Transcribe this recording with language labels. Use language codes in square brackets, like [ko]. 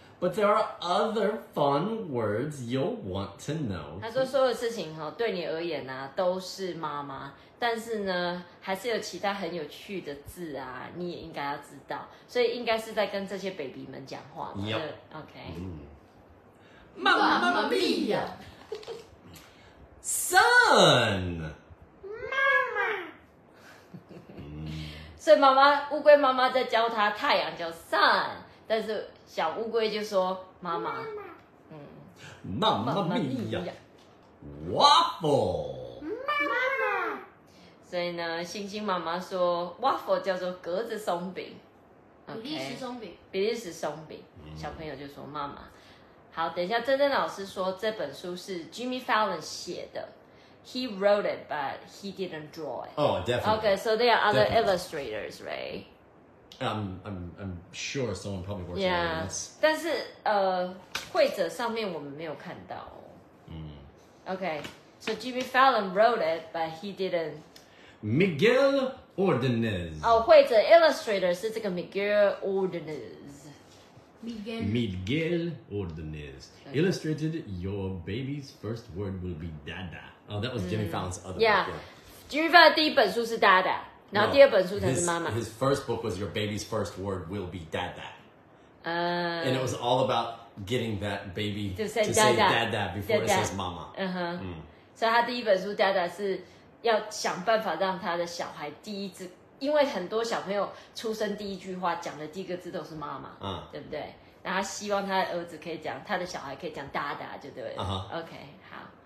[en] But there are other fun words you'll want to know. [zh] 他说所有事情对你而言啊都是妈妈，但是呢还是有其他很有趣的字啊，你也应该要知道。所以应该是在跟这些 baby 们讲话嘛。 [en] Yep. OK. Mamma mia. Son. Mama. [zh] 所以妈妈乌龟妈妈在教他太阳叫 sun。但是小乌龟就说妈妈，嗯，妈妈咪呀 ，waffle，妈妈。所以呢，星星妈妈说 waffle 叫做格子松饼，比利时松饼，比利时松饼。小朋友就说妈妈。好，等一下，珍珍老师说这本书是 Jimmy Fallon 写的。 [en] He wrote it, but he didn't draw it. Oh, definitely. Okay, so there are other illustrators, right? I'm sure someone probably works on this. [zh] 但是绘者上面我们没有看到。嗯。 [en] Okay, so Jimmy Fallon wrote it, but he didn't. Miguel Ordonez. [zh] 哦，绘者 illustrator 是这个 Miguel Ordonez. [en] Miguel Ordonez illustrated your baby's first word will be dada. Oh, that was Jimmy Fallon's other book. [zh] Yeah, Jimmy Fallon 第一本书是 dada。然后第二本书才是妈妈。 [en] His first book was Your Baby's First Word Will Be Dada. And it was all about getting that baby to say dada before it says mama. Uh-huh. [zh] 所以他第一本书 dada 是要想办法让他的小孩第一字，因为很多小朋友出生第一句话讲的第一个字都是妈妈，对不对？那他希望他的儿子可以讲，他的小孩可以讲 dada 就对了。 OK， 好。